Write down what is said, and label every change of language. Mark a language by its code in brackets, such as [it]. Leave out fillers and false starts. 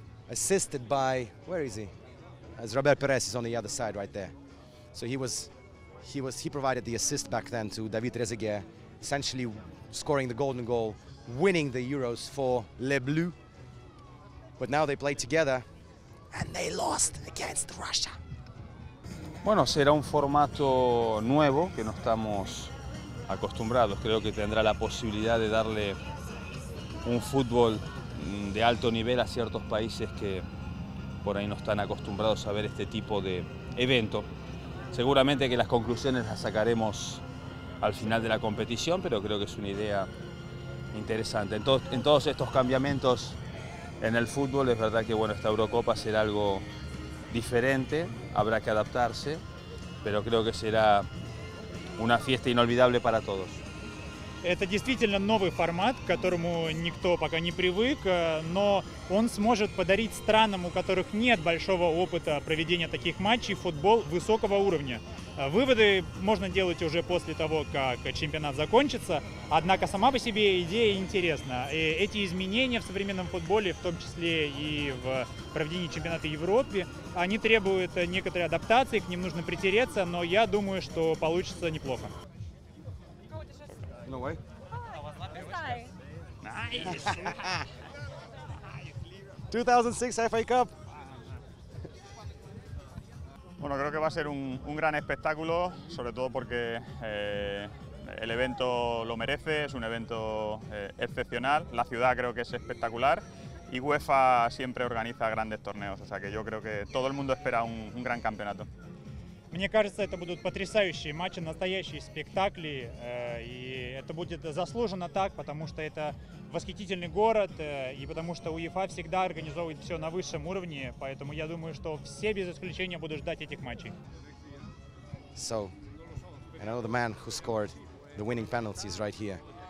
[en] Assisted by, where is he? As Robert Pires is on the other side right there. So he provided the assist back then to David Trezeguet, essentially scoring the golden goal, winning the Euros for Les Bleus. But now they play together and they lost against Russia. [es] Bueno, será un formato nuevo que no estamos acostumbrados. Creo que tendrá la posibilidad de darle un fútbol de alto nivel a ciertos países que por ahí no están acostumbrados a ver este tipo de evento. Seguramente que las conclusiones las sacaremos al final de la competición, pero creo que es una idea interesante. En todos estos cambiamientos en el fútbol, es verdad que bueno, esta Eurocopa será algo diferente, habrá que adaptarse, pero creo que será una fiesta inolvidable para todos. [ru] Это действительно новый формат, к которому никто пока не привык, но он сможет подарить странам, у которых нет большого опыта проведения таких матчей, футбол высокого уровня. Выводы можно делать уже после того, как чемпионат закончится, однако сама по себе идея интересна. И эти изменения в современном футболе, в том числе и в проведении чемпионата Европы, они требуют некоторой адаптации, к ним нужно притереться, но я думаю, что получится неплохо. [en] No way. Nice. 2006 FA Cup. [es] Bueno, creo que va a ser un gran espectáculo, sobre todo porque el evento lo merece, es un evento excepcional. La ciudad creo que es espectacular y UEFA siempre organiza grandes torneos, o sea que yo creo que todo el mundo espera un gran campeonato. [ru] Мне кажется, это будут потрясающие матчи, настоящие спектакли, и это будет заслуженно так, потому что это восхитительный город, и потому что УЕФА всегда организовывает все на высшем уровне, поэтому я думаю, что все без исключения будут ждать этих матчей. [en] So, I know the man who scored the winning penalty is right here.